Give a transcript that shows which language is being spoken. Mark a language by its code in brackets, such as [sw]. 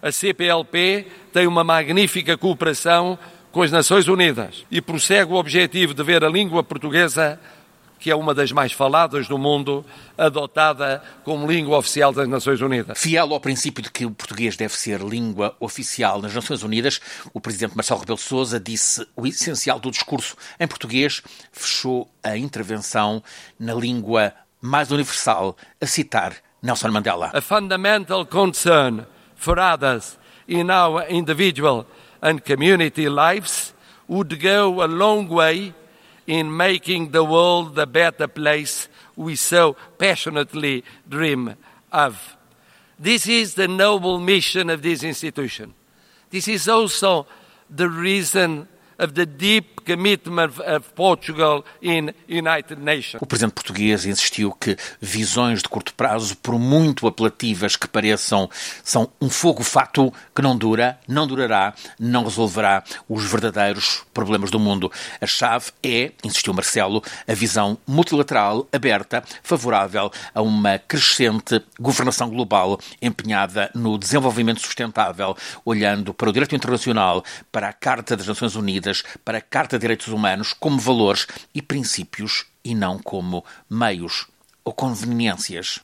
[pt] A Cplp tem uma magnífica cooperação com as Nações Unidas e prossegue o objetivo de ver a língua portuguesa, que é uma das mais faladas do mundo, adotada como língua oficial das Nações Unidas. Fiel ao princípio de que o português deve ser língua oficial nas Nações Unidas, o Presidente Marcelo Rebelo de Sousa disse o essencial do discurso em português, fechou a intervenção na língua mais universal, a citar Nelson Mandela. [en] A fundamental concern for others in our individual and community lives would go a long way in making the world a better place we so passionately dream of. This is the noble mission of this institution. This is also the reason of the deep commitment of Portugal in United Nations. [pt] O presidente português insistiu que visões de curto prazo, por muito apelativas que pareçam, são um fogo-fato que não dura, não durará, não resolverá os verdadeiros problemas do mundo. A chave é, insistiu Marcelo, a visão multilateral, aberta, favorável a uma crescente governação global empenhada no desenvolvimento sustentável, olhando para o direito internacional, para a Carta das Nações Unidas, para a Carta de Direitos Humanos como valores e princípios e não como meios ou conveniências.